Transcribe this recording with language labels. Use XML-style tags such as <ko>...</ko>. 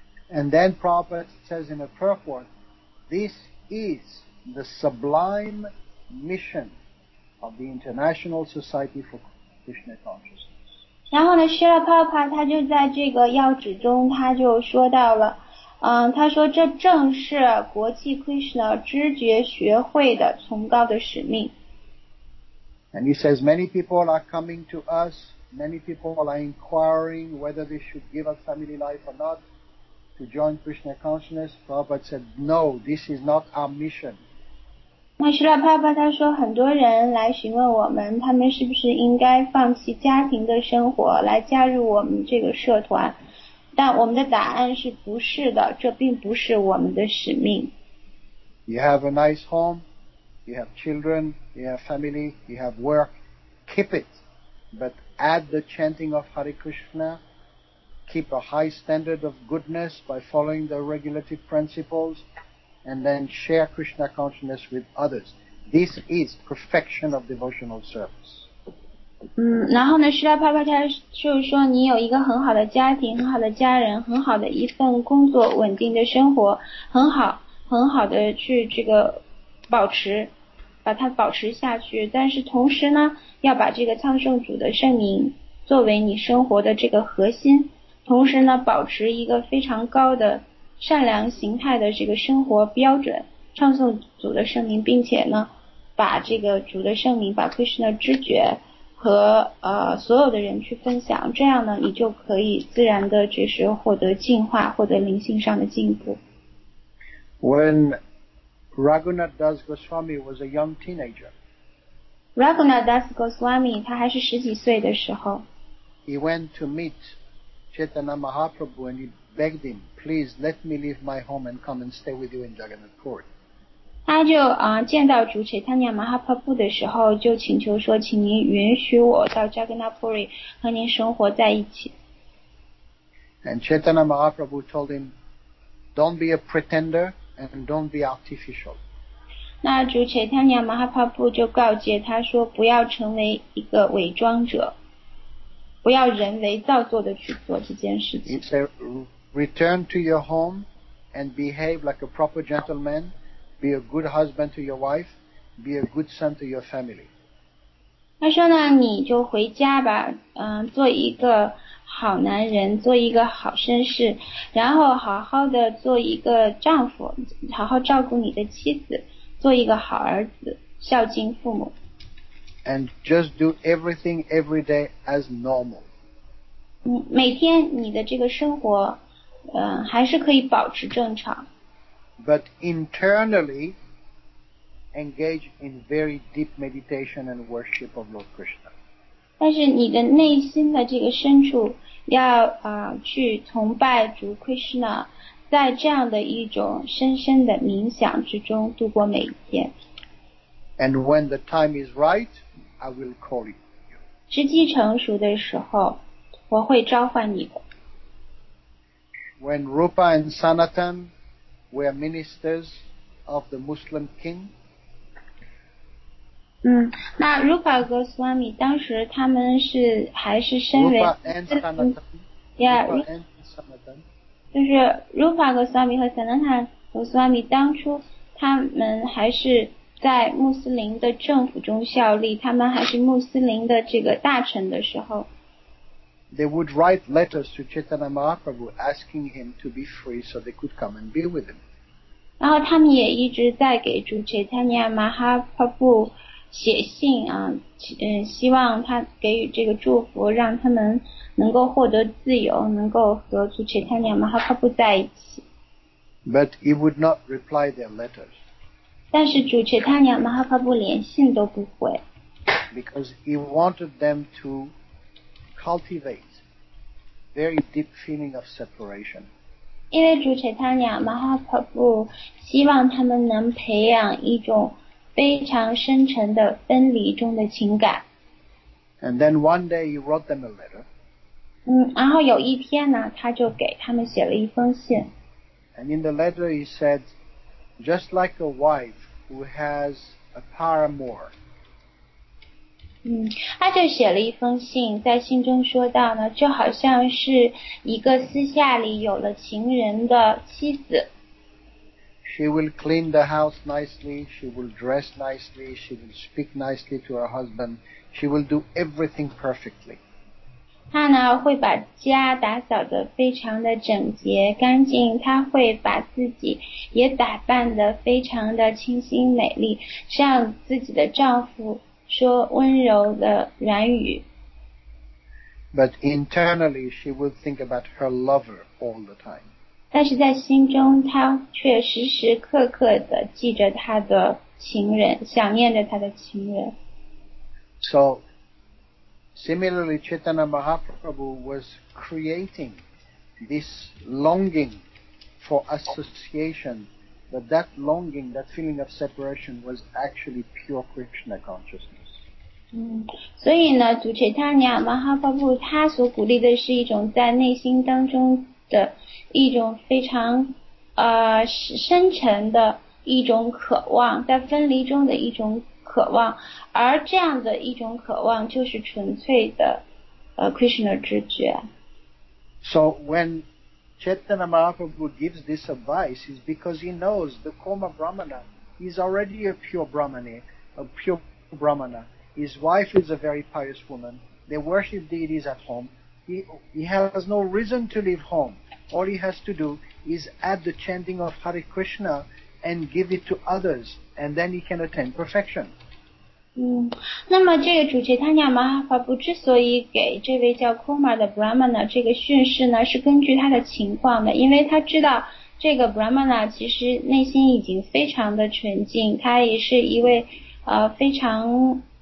<en>And then Prabhupada says in a prayer form, this is the sublime mission of the International Society for Krishna Consciousness.</en> <zh>然后呢，希拉帕帕他就在这个要旨中，他就说到了，他说这正是国际 Krishna 知觉学会的崇高的使命。</zh> <en>And he says many people are coming to us, many people are inquiring whether they should give up family life or not to join Krishna consciousness. Prabhupada said, no, this is not our mission.</en> <zh>那希拉帕帕他说很多人来询问我们，他们是不是应该放弃家庭的生活来加入我们这个社团，但我们的答案是不是的，这并不是我们的使命。</zh> <en>You have a nice home, you have children, you have family, you have work, keep it, but add the chanting of Hare Krishna, keep a high standard of goodness by following the regulative principles, and then share Krishna consciousness with others. This is perfection of devotional service.</en> <zh>然后呢，希拉帕帕他就说，你有一个很好的家庭，很好的家人，很好的一份工作，稳定的生活，很好，很好的去这个保持，把它保持下去。但是同时呢，要把这个苍圣主的圣名作为你生活的这个核心，同时呢，保持一个非常高的善良形态的这个生活标准，唱诵主的圣名，并且呢，把这个主的圣名，把 Krishna 的知觉和所有的人去分享，这样呢，你就可以自然的就是获得进化，获得灵性上的进步。</zh> <en>When Raghunath Das Goswami was a young teenager,</en> <zh>Raghunath Das Goswami 他还是十几岁的时候</zh> <en>，He went to meet Chaitanya Mahaprabhu and he begged him, please let me leave my home and come and stay with you in Jagannath Puri.</en> <zh>他就见到主 Chaitanya Mahaprabhu 的时候，就请求说，请您允许我到 Jagannath Puri 和您生活在一起。</zh> <en>And Chaitanya Mahaprabhu told him, don't be a pretender and don't be artificial.</en> <zh>那主 Chaitanya Mahaprabhu 就告诫他说，不要成为一个伪装者。不要人为造作的去做这件事情。</zh> <en>He said, "Return to your home and behave like a proper gentleman. Be a good husband to your wife. Be a good son to your family."</en> <zh>他说呢，你就回家吧，做一个好男人，做一个好绅士，然后好好的做一个丈夫，好好照顾你的妻子，做一个好儿子，孝敬父母。</zh> <en>And just do everything every day as normal.</en> <zh>每天你的这个生活，还是可以保持正常。</zh> <en>But internally, engage in very deep meditation and worship of Lord Krishna.</en> <zh>但是你的内心的这个深处要，去崇拜主 Krishna， 在这样的一种深深的冥想之中度过每一天。</zh> <en>And when the time is right,I will call you.</en> <zh>时机成熟的时候，我会召唤你的。</zh> <en>When Rupa and Sanatan were ministers of the Muslim king.</en> <zh>那 Rupa Goswami 当时他们是还是身为</zh> <en>Rupa and Sanatan.</en> <zh>Yeah, 就是 Rupa Goswami 和 Sanatan Goswami 当初他们还是。在穆斯林的政府中效力，他们还是穆斯林的这个大臣的时候。</zh> <en>They would write letters to Chaitanya Mahaprabhu asking him to be free so they could come and be with him.</en> <zh>然后他们也一直在给主 Chaitanya Mahaprabhu 写信啊，希望他给予这个祝福，让他们能够获得自由，能够和主 Chaitanya Mahaprabhu 在一起。</zh> <en>But he would not reply their letters.</en> <zh>但是主持他娘马哈帕布连信都不回。</zh> <en>Because he wanted them to cultivate very deep feeling of separation.</en> <zh>因为主持他娘马哈帕布希望他们能培养一种非常深沉的分离中的情感。</zh> <en>And then one day he wrote them a letter.</en> <zh>然后有一天呢，他就给他们写了一封信。</zh> <en>And in the letter he said,Just like a wife who has a paramour,</en> <zh>他就写了一封信，在信中说到呢，就好像是一个私下里有了情人的妻子。</zh> <en>She will clean the house nicely. She will dress nicely. She will speak nicely to her husband. She will do everything perfectly.</en> <zh>她呢会把家打扫得非常的整洁干净，她会把自己也打扮得非常的清新美丽，向自己的丈夫说温柔的软语。</zh> <en>But internally, she will think about her lover all the time.</en> <zh>但是在心中，她却时时刻刻地记着她的情人，想念着她的情人。</zh> <en>So, similarly, Chaitanya Mahaprabhu was creating this longing for association, but that longing, that feeling of separation was actually pure Krishna consciousness.</en> <zh>所以呢，祖切塔尼亚马哈巴布他所鼓励的是一种在内心当中的一种非常深沉的一种渴望，在分离中的一种渴望，而这样的一种渴望就是纯粹的Krishna 知觉。</zh> <en>So when Chaitanya Mahaprabhu gives this advice, is because he knows the Koma Brahmana is already a pure Brahmani, a pure Brahmana. His wife is a very pious woman. They worship deities at home. He has no reason to leave home. All he has to do is add the chanting of Hare Krishna and give it to others, and then he can attain perfection.</en> <zh>那么这个主持他娘马哈法布之所以给这位叫 Kumar 的 Brahmana 这个训示呢，是根据他的情况的，因为他知道这个 Brahmana 其实内心已经非常的纯净，他也是一位非常</zh>